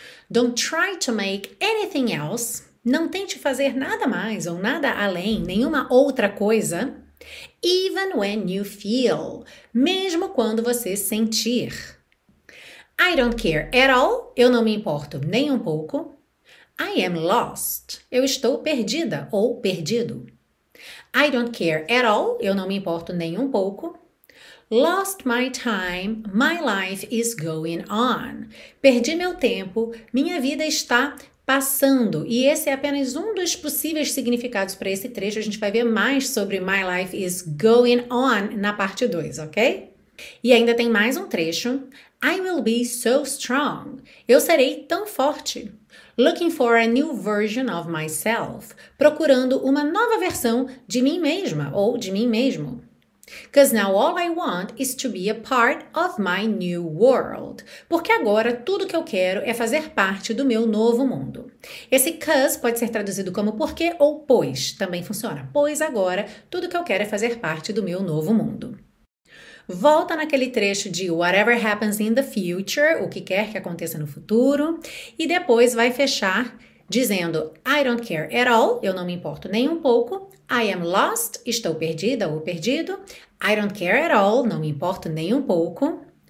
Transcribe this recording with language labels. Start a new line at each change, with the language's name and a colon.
English: Don't try to make anything else,
Portuguese: não tente fazer nada mais ou nada além, nenhuma outra coisa,
English: even when you feel,
Portuguese: mesmo quando você sentir.
English: I don't care at all,
Portuguese: eu não me importo nem um pouco.
English: I am lost,
Portuguese: eu estou perdida ou perdido.
English: I don't care at all,
Portuguese: eu não me importo nem um pouco.
English: Lost my time, my life is going on.
Portuguese: Perdi meu tempo, minha vida está passando. E esse é apenas um dos possíveis significados para esse trecho. A gente vai ver mais sobre
English: my life is going on
Portuguese: na parte 2, ok? E ainda tem mais um trecho.
English: I will be so strong.
Portuguese: Eu serei tão forte.
English: Looking for a new version of myself.
Portuguese: Procurando uma nova versão de mim mesma ou de mim mesmo.
English: Because now all I want is to be a part of my new world.
Portuguese: Porque agora tudo que eu quero é fazer parte do meu novo mundo. Esse 'cause' pode ser traduzido como porque ou pois. Também funciona. Pois agora tudo que eu quero é fazer parte do meu novo mundo. Volta naquele trecho de
English: whatever happens in the future,
Portuguese: o que quer que aconteça no futuro, e depois vai fechar dizendo
English: I don't care at all,
Portuguese: eu não me importo nem um pouco,
English: I am lost,
Portuguese: estou perdida ou perdido, I don't care at all, não me importo nem um pouco,